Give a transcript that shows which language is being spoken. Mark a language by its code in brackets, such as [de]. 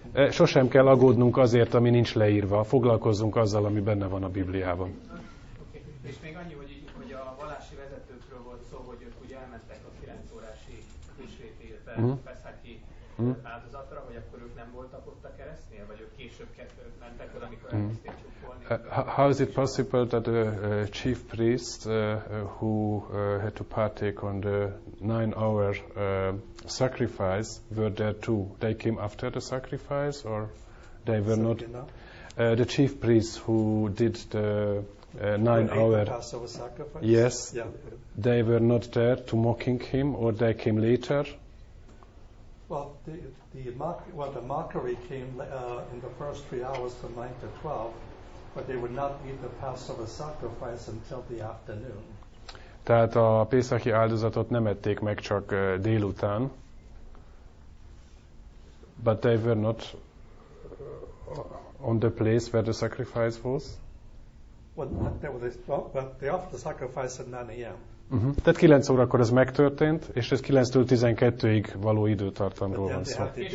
[hu] Sosem kell aggódnunk azért, ami nincs leírva. Foglalkozzunk azzal, ami benne van a Bibliában. [en] Okay. [hu] És még annyi, hogy a vallási vezetőkről volt szó, hogy ők ugye elmentek a 9 órási húsvétére, Peszaki áldozatra, hogy akkor ők nem voltak ott a keresztnél, vagy ők később mentek oda, amikor elkezdték. [en] How is it possible that the chief priest who had to partake on the 9-hour sacrifice were there too? They came after the sacrifice or they were not? The chief priest who did the 9-hour Passover sacrifice? Yes. Yeah. They were not there to mocking him or they came later? Well, the mockery came in the first 3 hours from 9 to 12. But they would not eat the Passover sacrifice until the afternoon. [hu] Tehát a pészaki áldozatot nem ették meg csak délután. [en] But they were not on the place where the sacrifice was. But they offered the sacrifice at 9 a.m. Uh-huh. [hu] Tehát 9 órakor ez megtörtént, és ez 9-től 12-ig való időtartamról van szó.